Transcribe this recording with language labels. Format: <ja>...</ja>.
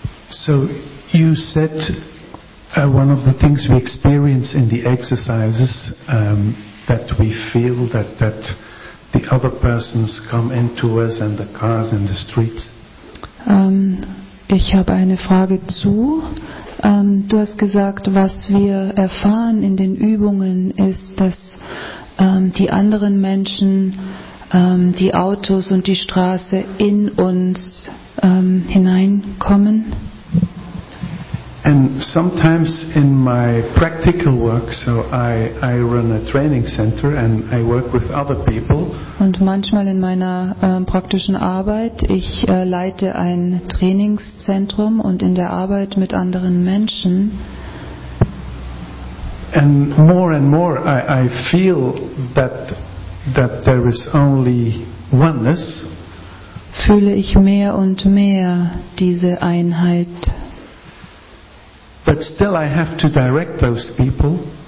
<en>So you said one of the things we experience in the exercises that we feel that the other persons come into us and the cars and the streets.</en> <de>Ich habe eine Frage zu. Du hast gesagt, was wir erfahren in den Übungen ist, dass die anderen Menschen die Autos und die Straße in uns hineinkommen.</de> <en>And sometimes in my practical work, so I run a training center and I work with other people.</en> <de>Und manchmal in meiner praktischen Arbeit, ich leite ein Trainingszentrum und in der Arbeit mit anderen Menschen.</de> <en>And more I feel that there is only oneness.</en> <de>Fühle ich mehr und mehr diese Einheit.</de> <en>But still I have to direct those people.</en>